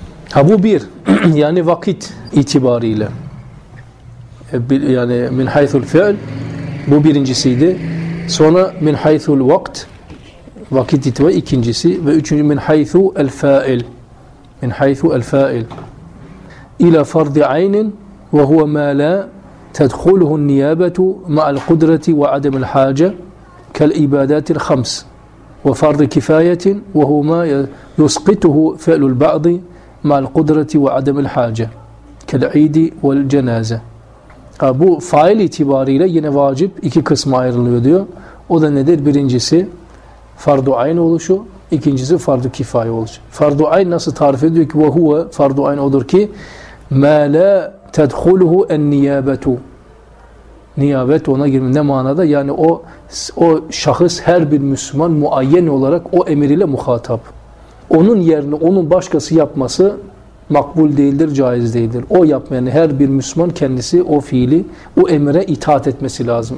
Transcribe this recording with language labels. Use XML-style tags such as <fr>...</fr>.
<tr>Ha bu bir. Yani vakit itibariyle. Yani min haythul fi'l. Bu birincisiydi. Sonra min haythul vakt. Vakit itibariyle ikincisi. Ve üçüncü min haythu el fa'il. Min haythu el fa'il.</tr> <ar>İla fardı aynin ve huve mâ lâ تدخله النيابة مع القدرة وعدم الحاجة كالعبادات الخمس وفرض كفاية وهو ما يسقطه فعل البعض مع القدرة وعدم الحاجة كالعيد والجنازة.</ar> <tr>Bu fail itibariyle yine vacip iki kısma ayrılıyor diyor. O da nedir? Birincisi fardu ayn oluşu, ikincisi fardu kifaye oluşu. Fardu ayn nasıl tarif ediyor ki?</tr> <ar>وهو</ar> <tr>fardu ayn odur ki</tr> <ar>مَا لَا تَدْخُلُهُ النِّيَابَةُ.</ar> <tr>Niyabet ona girmiş. Ne manada? Yani o şahıs her bir Müslüman muayyen olarak o emir ile muhatap. Onun yerine onun başkası yapması makbul değildir, caiz değildir. O yapmayan her bir Müslüman kendisi o fiili, o emire itaat etmesi lazım.</tr>